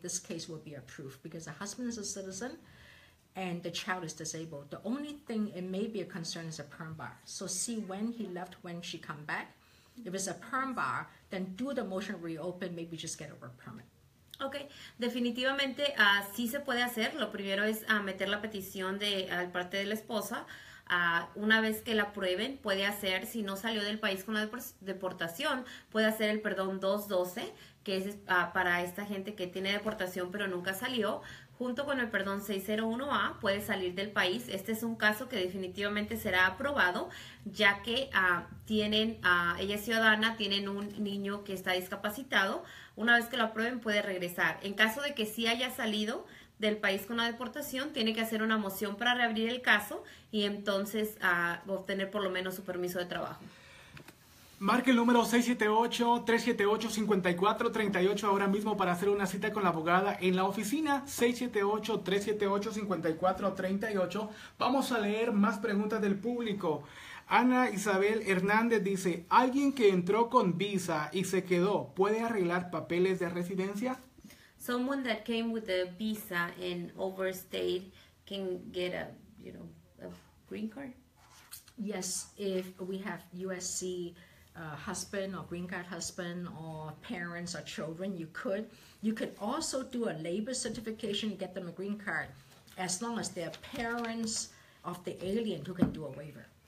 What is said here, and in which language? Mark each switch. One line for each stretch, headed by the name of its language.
English: This case will be approved because the husband is a citizen and the child is disabled. The only thing it may be a concern is a perm bar. So see when he left, when she come back. If it's a perm bar, then do the motion reopen, maybe just get a work permit.
Spanish: Okay, definitivamente sí se puede hacer. Lo primero es meter la petición de parte de la esposa. Una vez que la aprueben, puede hacer, si no salió del país con la deportación, puede hacer el perdón 212, que es para esta gente que tiene deportación pero nunca salió. Junto con el perdón 601A, puede salir del país. Este es un caso que definitivamente será aprobado, ya que ella es ciudadana, tienen un niño que está discapacitado. Una vez que lo aprueben, puede regresar. En caso de que sí haya salido del país con la deportación, tiene que hacer una moción para reabrir el caso y entonces obtener por lo menos su permiso de trabajo. Marque el número 678-378-5438 ahora mismo para hacer una cita con la abogada en la oficina, 678-378-5438. Vamos a leer más preguntas del público. Ana Isabel Hernández dice, ¿alguien que entró con visa y se quedó puede arreglar papeles de residencia?
English: Someone that came with a visa and overstayed can get a, you know, a green card? Yes, if we have USC husband or green card husband or parents or children, you could. You could also do a labor certification, get them a green card, as long as they're parents of the alien who can do a waiver.